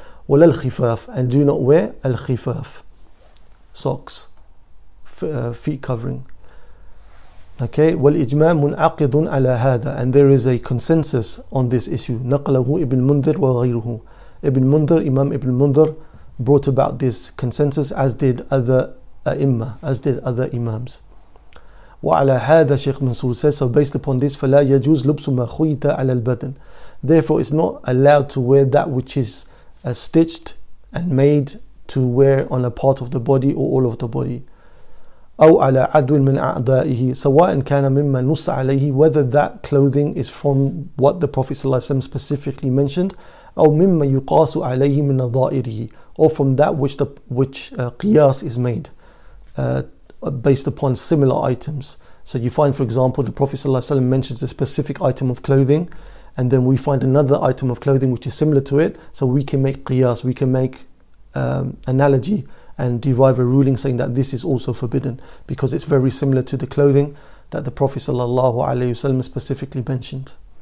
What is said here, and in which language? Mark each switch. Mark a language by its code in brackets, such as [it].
[ar] وَلَا الْخِفَافِ, [en] and do not wear الْخِفَافِ, socks, feet covering. Okay, [ar] والإجماع منعقد على هذا, [en] and there is a consensus on this issue. [ar] نقله ابن منذر وغيره. [en] Ibn Mundhir, Imam Ibn Mundhir, brought about this consensus, as did other imams. [ar] وعلى هذا شيخ منصور [en] says, so based upon this, [ar] فلا يجوز لبس ما خيط على البدن. [en] Therefore, it's not allowed to wear that which is stitched and made to wear on a part of the body or all of the body. [ar] أو على عدو من أعدائه سواء كان مما نص عليه, [en] whether that clothing is from what the Prophet صلى الله عليه وسلم specifically mentioned, [ar] أو مما يقاس عليه من نظائره, [en] or from that which قياس is made based upon similar items. So you find, for example, the Prophet صلى الله عليه وسلم mentions a specific item of clothing, and then we find another item of clothing which is similar to it, so we can make قياس, we can make analogy and derive a ruling saying that this is also forbidden because it's very similar to the clothing that the Prophet sallallahu alaihi wasallam specifically mentioned.